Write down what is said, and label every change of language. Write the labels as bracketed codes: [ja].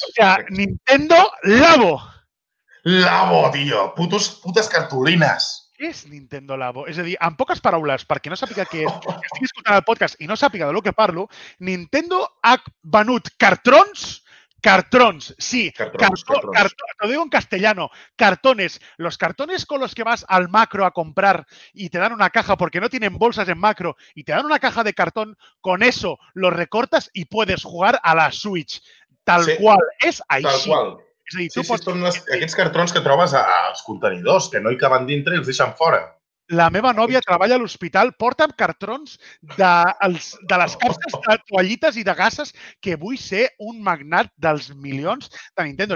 [ca] O sigui, Nintendo Labo. Labo, tio. Putes cartolines. Què és Nintendo Labo? És a dir, en poques paraules, perquè no sàpiga què és, que estic escoltant el podcast i no sàpiga de lo que parlo, Nintendo ha venut cartrons. Sí. Cartrons. [es] Te lo digo en castellano. Cartones. Los cartones con los que vas al macro a comprar y te dan una caja porque no tienen bolsas en macro y te dan una caja de cartón, con eso lo recortas y puedes jugar a la Switch. Tal cual. Es ahí. Tal cual. [ca] Aquests cartrons que trobes als contenidors, que no hi caben dintre i els deixen fora. La meva nòvia treballa a l'hospital, porta'm cartrons de les capses de toallites i de gasses que vull ser un magnat dels milions de Nintendo.